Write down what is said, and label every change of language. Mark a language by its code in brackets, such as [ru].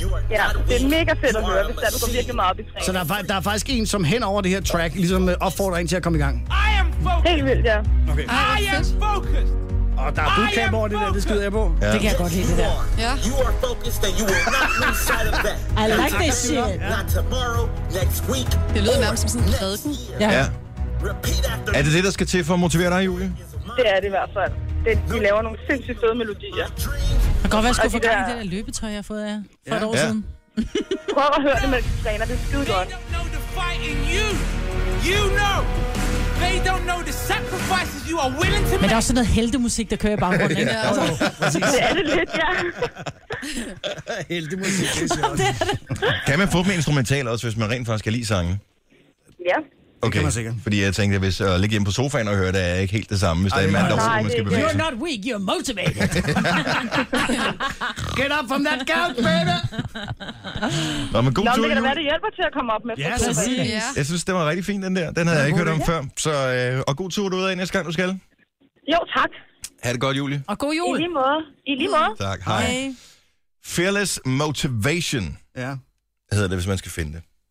[da] Ja, det er mega fedt at høre, hvis der er, du går virkelig meget op i træning. Så der er faktisk en, som hen over det her track, ligesom opfordrer en til at komme i gang? [en] I am focused! [da] Helt vildt, ja. [en] Okay. I am focused! [da] Og der er bootcamp over det der, det skyder jeg på. [en] Yeah. [da] Det kan jeg godt lide, det der. [en] You are focused and you will not lose sight of that. I like this shit. Not tomorrow, next week. [da] Det lyder nærmest som sådan en prædiken. Ja. Yeah. Er det det, der skal til for at motivere dig, Julie? Det er det i hvert fald. De laver nogle sindssygt fede melodier. Det kan godt være, at jeg skulle få gang i det der løbetøj, jeg har fået af for et år siden. Prøv at høre det, mens du træner. Det er skide godt. [en] They don't know the sacrifices you are willing to make. [da] Men der er også sådan noget heltemusik, der kører i baggrunden, ikke? Ja, altså, det er det lidt, ja. Heltemusik, det er sjovt. Kan man få dem instrumentalt også, hvis man rent faktisk kan lide sange? Ja. Okay, fordi jeg tænkte, at hvis jeg ligger hjemme på sofaen og hører det, er ikke helt det samme, hvis der er en mand, der man skal bevæge sig. [en] You're not weak, you're motivated. Get up from that couch, baby. [da] Nå, men god tur, Julie. Det kan da være, det hjælper til at komme op med. [en] Yes, yes. [da] Jeg synes, det var rigtig fint, den der. Den havde jeg ikke hørt om før. Så, og god tur du ud af næste gang, du skal. Jo, tak. Ha' det godt, Julie. Og god jul. I lige måde. Tak, hej. Fearless Motivation hedder det, hvis man skal finde det.